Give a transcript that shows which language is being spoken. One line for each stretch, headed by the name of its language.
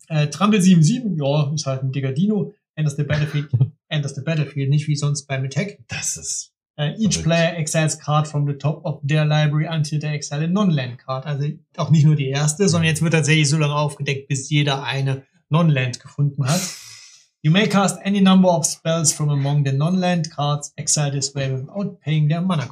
German: Trample 7-7, ja, ist halt ein dicker Dino. Enters the Battlefield, nicht wie sonst beim Attack. Das ist...
English: Each player exiles card from the top of their library until they exile a non-land card.
German: Also auch nicht nur die erste, sondern jetzt wird tatsächlich so lange aufgedeckt, bis jeder eine non-land gefunden hat.
English: You may cast any number of spells from among the non-land cards exiled this way without paying their mana cost.